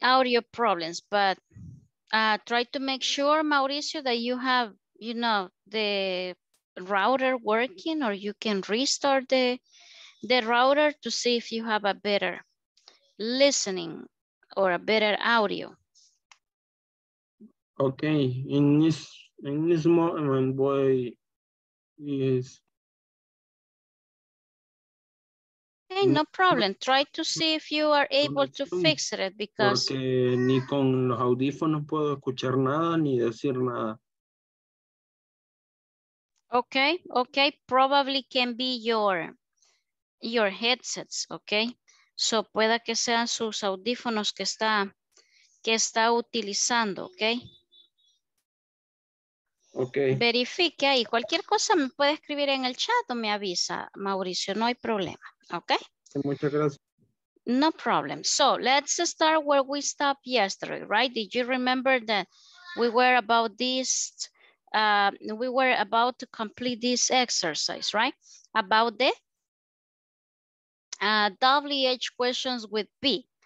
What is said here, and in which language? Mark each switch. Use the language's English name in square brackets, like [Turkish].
[English] Audio problems, but try to make sure, Mauricio, that you have, you know, the router working, or you can restart the router to see if you have a better listening or a better audio. Okay, in this moment, boy, yes. Okay, no problem. Try to see if you are able to fix it, because [Spanish] porque ni con los audífonos puedo escuchar nada ni decir nada. [English] Okay, probably can be your headsets, okay? [Spanish] So pueda que sean sus audífonos que está utilizando, okay? [English] Okay. [Spanish] Verifique ahí. Cualquier cosa me puede escribir en el chat o me avisa, Mauricio, no hay problema, okay? Muchas gracias. [English] No problem. So let's start where we stopped yesterday, right? Did you remember that we were about this, we were about to complete this exercise, right? About the WH questions with B,